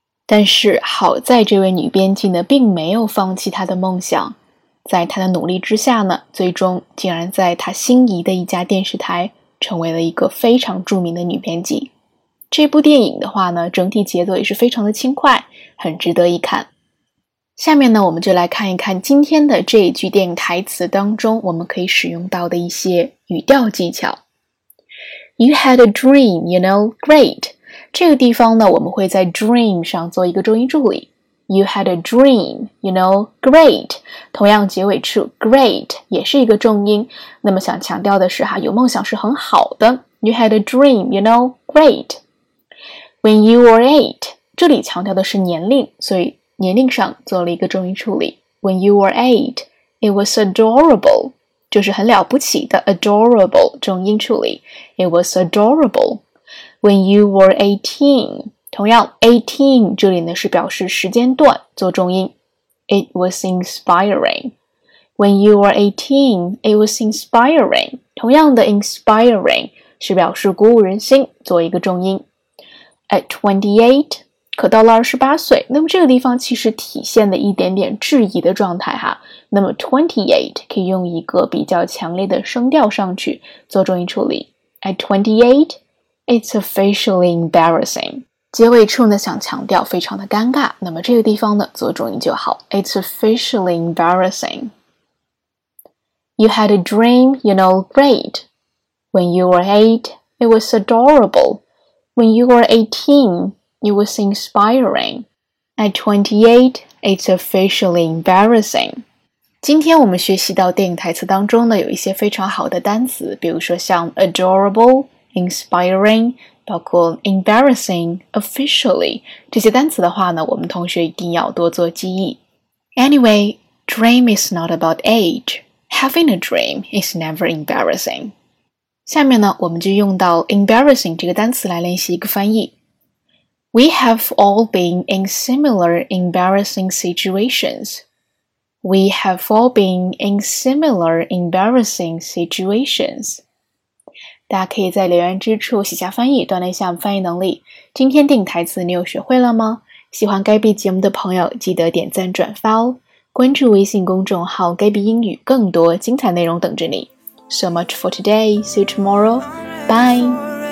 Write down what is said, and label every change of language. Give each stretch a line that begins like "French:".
Chinese: 但是好在这位女编辑呢并没有放弃她的梦想，在她的努力之下呢，最终竟然在她心仪的一家电视台成为了一个非常著名的女编辑。这部电影的话呢，整体节奏也是非常的轻快，很值得一看。下面呢，我们就来看一看今天的这一句电影台词当中我们可以使用到的一些语调技巧。
English: You had a dream, you know, great.
Chinese: 这个地方呢，我们会在 dream 上做一个重音助理。
English: You had a dream, you know, great.
Chinese: 同样结尾处 great 也是一个重音，那么想强调的是哈，有梦想是很好的。
English: You had a dream, you know, great. When you were eight,
Chinese: 这里强调的是年龄，所以年龄上做了一个重音处理。
English: When you were eight, it was adorable,
Chinese: 就是很了不起的
English: adorable 重音处理。 It was adorable. When you were 18,
Chinese: 同样 18 这里呢是表示时间段做重音。
English: It was inspiring. When you were 18, it was inspiring.
Chinese: 同样的 inspiring 是表示鼓舞人心做一个重音。 At 28,可到了28岁，那么这个地方其实体现了一点点质疑的状态哈。那么 28 可以用一个比较强烈的声调上去做重音处理。
English: At 28, it's officially embarrassing.
Chinese: 结尾处呢想强调非常的尴尬，那么这个地方呢做重音就好。
English: It's officially embarrassing. You had a dream, you know, great. When you were 8, it was adorable. When you were 18,It was inspiring. At 28, it's officially embarrassing.
Chinese: 今天我们学习到电影台词当中呢，有一些非常好的单词，比如说像 adorable, inspiring, 包括 embarrassing, officially, 这些单词的话呢，我们同学一定要多做记忆。
English: Anyway, dream is not about age. Having a dream is never embarrassing.
Chinese: 下面呢，我们就用到 embarrassing 这个单词来练习一个翻译。
English: We have all been in similar embarrassing situations. We have all been in similar embarrassing situations.
Chinese: 大家可以在留言之处写下翻译，锻炼一下翻译能力。今天电影台词你有学会了吗？喜欢 Gabby 节目的朋友记得点赞转发哦。关注微信公众号 Gabby 英语，更多精彩内容等着你。
English: So much for today. See you tomorrow. Bye.